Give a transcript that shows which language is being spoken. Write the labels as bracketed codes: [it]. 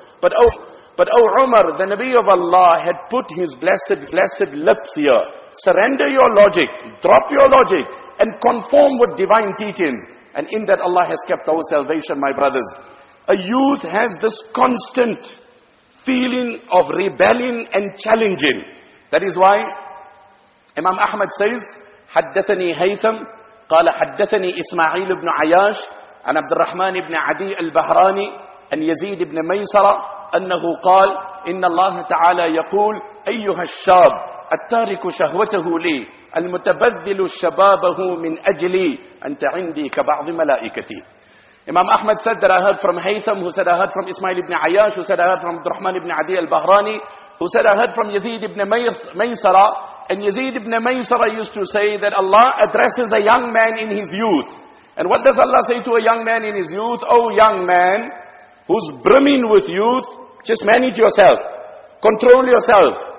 [en] But Umar, the Nabi of Allah, had put his blessed lips here. Surrender your logic. Drop your logic. And conform with divine teachings. And in that Allah has kept our salvation, my brothers. A youth has this constant feeling of rebelling and challenging. That is why Imam Ahmad says, [ar] حدثني هيثم قال حدثني إسماعيل بن عياش عن عبد الرحمن بن عدي البهراني أن يزيد بن ميسرة أنه قال إن الله تعالى يقول أيها الشاب التارك شهوته لي المتبذل شبابه من أجلي أنت عندي كبعض ملائكتي. [en] Imam Ahmad said that I heard from Haytham, who said I heard from Ismail ibn Ayash, who said I heard from Rahman ibn Adi al-Bahrani, who said I heard from Yazid ibn Maysara. And Yazid ibn Maysara used to say that Allah addresses a young man in his youth. And what does Allah say to a young man in his youth? Oh young man, who's brimming with youth, just manage yourself. Control yourself.